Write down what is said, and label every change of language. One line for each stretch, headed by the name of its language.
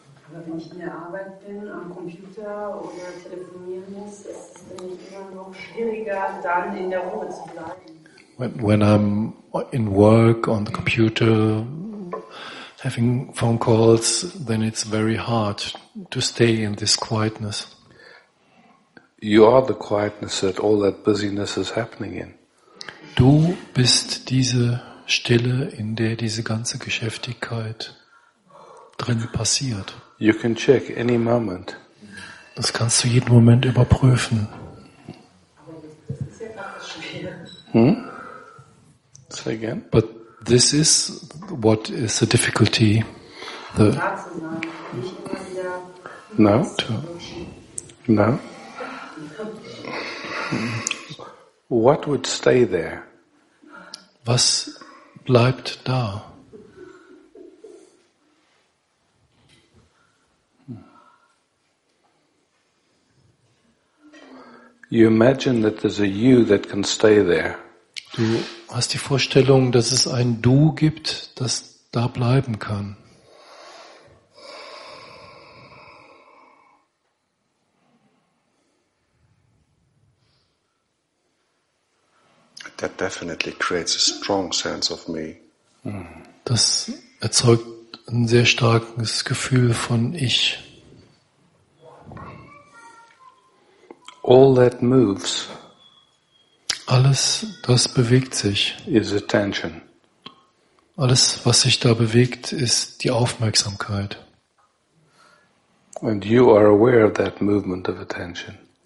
German: Wenn ich in der Arbeit bin, am Computer oder telefonieren muss, ist es immer noch schwieriger, dann in der Ruhe zu bleiben.
English: When I'm in work on the computer, having phone calls, then it's very hard to stay in this quietness. You are the quietness that all that busyness is happening in.
German: Du bist diese Stille, in der diese ganze Geschäftigkeit drin passiert.
English: You can check any moment.
German: Das kannst du jeden Moment überprüfen.
English: Say again. But this is what is the difficulty. No. What would stay there?
German: Was bleibt da?
English: You imagine that there's a you that can stay there.
German: Du hast die Vorstellung, dass es ein Du gibt, das da bleiben kann.
English: That definitely creates a strong sense of me.
German: Das erzeugt ein sehr starkes Gefühl von Ich.
English: All that moves.
German: Alles, das bewegt sich.
English: Is attention.
German: Alles, was sich da bewegt, ist die Aufmerksamkeit.
English: And you are aware of that movement of attention.